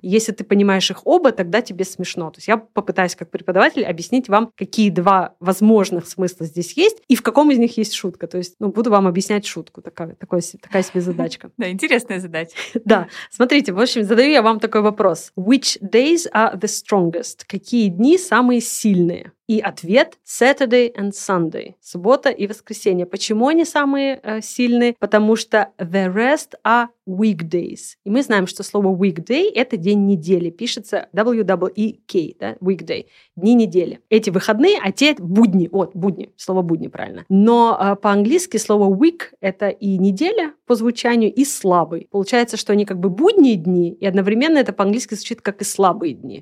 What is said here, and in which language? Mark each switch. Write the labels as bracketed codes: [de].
[ru] Если ты понимаешь их оба, тогда тебе смешно. То есть я попытаюсь как преподаватель объяснить вам, какие два возможных смысла здесь есть и в каком из них есть шутка. То есть ну, буду вам объяснять шутку. Такая себе задачка. Да, интересная задача. Да. Смотрите, в общем, задаю я вам такой вопрос. [en] Which days are the strongest? [ru] Какие дни самые сильные? И ответ – [en] Saturday and Sunday. [ru] Суббота и воскресенье. Почему они самые сильные? Потому что [en] the rest are weekdays. [ru] И мы знаем, что слово weekday – это день недели. Пишется W-E-K, да? Weekday. Дни недели. Эти выходные, а те – будни. Вот, будни. Слово будни, правильно. Но по-английски слово week – это и неделя по звучанию, и слабый. Получается, что они как бы будние дни, и одновременно это по-английски звучит как и слабые дни.